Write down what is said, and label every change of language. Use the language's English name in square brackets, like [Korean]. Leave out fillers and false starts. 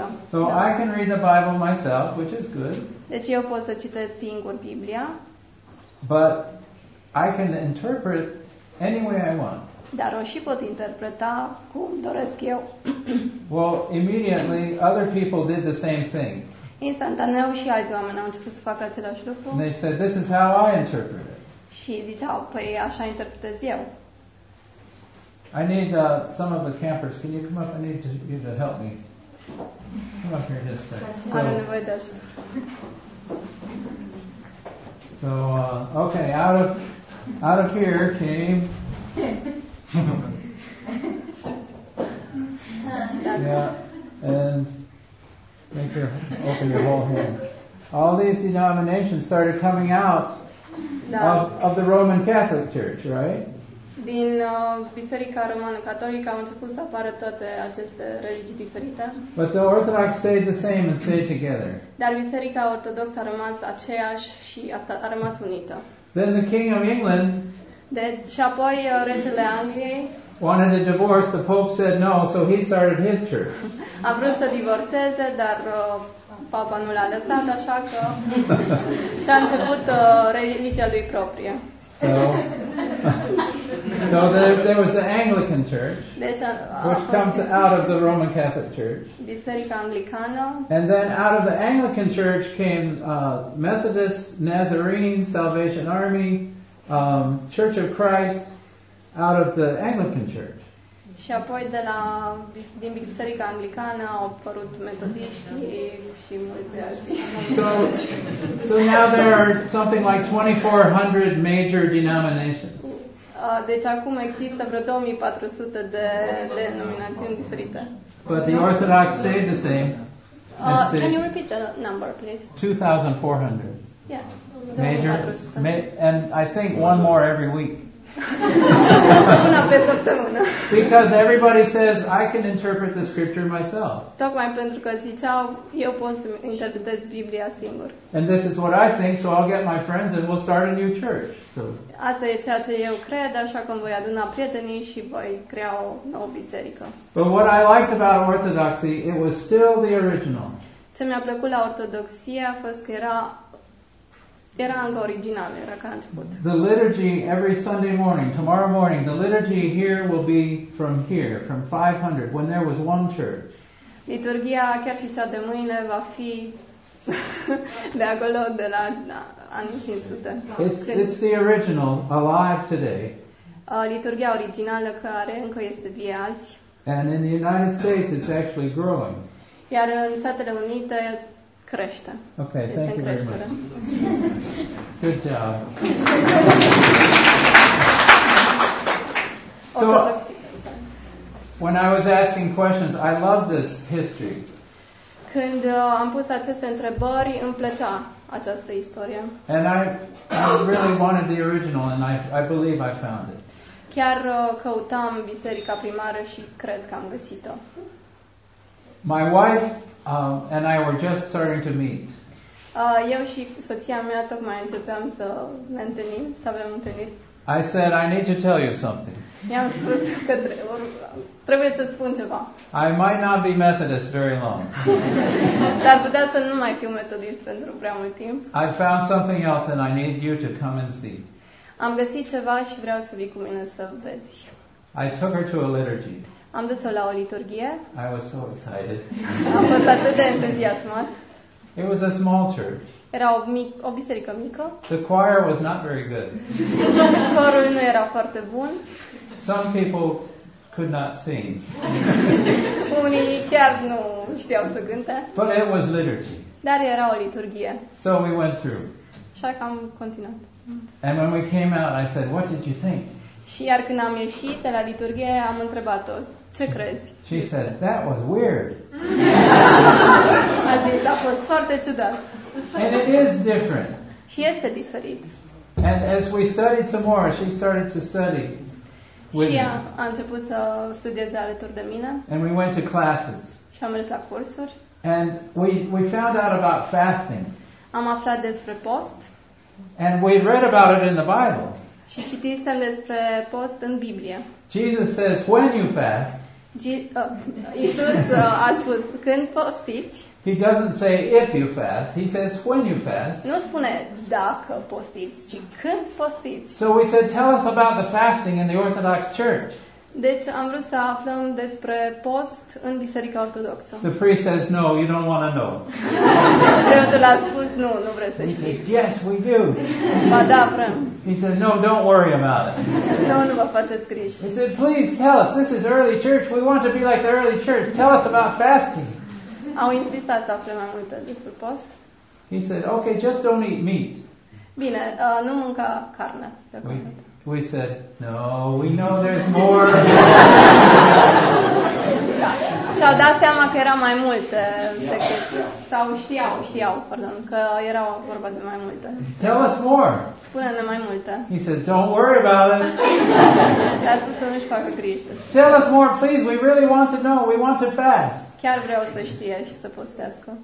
[English] So I can read the Bible myself, which is good. [Romanian] Deci eu pot să citesc singur Biblia. [English] But I can interpret any way I want. [Romanian] Dar o și pot interpreta cum doresc eu. [English] Well, immediately other people did the same thing. [Romanian] Instantaneu și alți oameni au început să facă același lucru. [English] And they said, this is how I interpret it. [Romanian] Și ziceau, păi așa interpretez eu. [English] I need some of the campers. Can you come up? I need you to help me. Come up here just a second. [Romanian] Are nevoie de ajutor. [English] So, okay, out of here came. Yeah, and make your open your whole hand. All these denominations started coming out of the Roman Catholic Church, right? [Romanian] Din Biserica Romană Catolică au început să apară toate aceste religii diferite. [English] But the Orthodox stayed the same and stayed together. [Romanian] Dar Biserica Ortodoxă a rămas aceeași și a rămas unită. [English] Then the King of England. [Romanian] Deci apoi regele Angliei. [English] Wanted a divorce, the Pope said no, so he started his church. [Romanian] A vrut să divorțeze, dar Papa nu l-a lăsat, așa că și-a început religia lui proprie. [English] So there was the Anglican Church, which comes out of the Roman Catholic Church. [Romanian] Biserica Anglicană. [English] And then out of the Anglican Church came Methodist, Nazarene, Salvation Army, Church of Christ, out of the Anglican Church. [Romanian] Și apoi de la din Biserica Anglicană au apărut metodiștii și multe alții. [English] So now there are something like 2400 major denominations. [Romanian] Deci acum există vreo 2400 de denominațiuni diferite. [English] But the Orthodox stayed the same. Can you repeat the number, please? 2400. Yeah. Major. And I think one more every week. [Romanian] Una pe săptămână. [English] Because everybody says I can interpret the scripture myself. [Romanian] Tocmai pentru că ziceau eu pot să interpretez Biblia singur. [English] And this is what I think, so I'll get my friends and we'll start a new church. So. [Romanian] Asta e ceea ce eu cred, așa cum voi aduna prietenii și voi crea o nouă biserică. [English] But what I liked about Orthodoxy, it was still the original. [Romanian] Ce mi-a plăcut la Ortodoxie a fost că era încă original, era ca început. [English] The liturgy every Sunday morning, tomorrow morning, the liturgy here will be from here, from 500, when there was one church. [Romanian] Liturgia, chiar și cea de mâine, va fi de acolo, de la anii 500. [English] It's the original, alive today. [Romanian] Liturgia originală care încă este vie azi. [English] And in the United States, it's actually growing. [Romanian] Iar în Statele Unite, crește. [English] Okay, [Romanian] este [English] thank you [Romanian] creștere. [English] Very much. Good job. So, when I was asking questions, I love this history. [Romanian] Când am pus aceste întrebări, îmi plăcea această istorie. [English] And I really wanted the original, and I believe I found it. [Romanian] Chiar căutam biserica primară și cred că am găsit-o. [English] My wife and I were just starting to meet. [Romanian] Eu și soția mea tocmai începeam să ne întâlnim, să avem întâlniri. [English] I said, I need to tell you something. [Romanian] I-am spus că trebuie să spun ceva. [English] I might not be Methodist very long. [Romanian] Dar putea să nu mai fiu metodist pentru prea mult timp. [English] I found something else and I need you to come and see. [Romanian] Am găsit ceva și vreau să vii cu mine să vezi. [English] I took her to a liturgy. [Romanian] Am dus-o la o liturghie. [English] I was so excited. [Romanian] Am fost atât de entuziasmat. [English] It was a small church. [Romanian] Era o biserică mică. [English] The choir was not very good. [Romanian] Corul nu era foarte bun. [English] Some people could not sing. [Romanian] Unii chiar nu știau să cânte. [English] But it was liturgy. [Romanian] Dar era o liturghie. [English] So we went through. [Romanian] Și așa că am continuat. [English] And when we came out, I said, "What did you think?" [Romanian] Și iar când am ieșit de la liturghie, am întrebat-o, "Ce crezi?" [English] She said, "That was weird." [Romanian] A zis, "A fost foarte ciudat." [English] And it is different. [Romanian] Și este diferit. [English] And as we studied some more, she started to study. [Romanian] Și a început să studieze alături de mine. [English] And we went to classes. [Romanian] Și am mers la cursuri. [English] And we found out about fasting. [Romanian] Am aflat despre post. [English] And we read about it in the Bible. [Romanian] Și citisem despre post în Biblie. [English] Jesus says, when you fast. [Romanian] Iisus a spus, când postiți. [English] He doesn't say if you fast, he says when you fast. [Romanian] Nu spune dacă postiți, ci când postiți. [English] So we said, tell us about the fasting in the Orthodox Church. [Romanian] Deci am vrut să aflăm despre post în Biserica Ortodoxă. [English] The priest says, no, you don't want to know. [Romanian] Preotul a spus, nu, nu vrei să știi. [English] Yes, we do. [Romanian] Ba da, vrem. [English] He said, no, don't worry about it. [Romanian] No, nu vă faceți griji. [English] He said, please tell us, this is early church, we want to be like the early church, tell us about fasting. [Romanian] Au insistat să aflăm mai multe despre post. [English] He said, okay, just don't eat meat. [Romanian] Bine, nu mânca carne. [English] We said, no, we know there's more. [Romanian] Și-au dat seama că era mai multe secrete. Sau știau, pardon, că era vorba de mai multe. [English] Tell us more. [Romanian] Spune-ne mai multe. [English] He said, don't worry about it. [Romanian] Le-a spus să nu-și facă griji. [English] Tell us more, please, we really want to know, we want to fast. [Romanian] Chiar vreau să știe și să postească.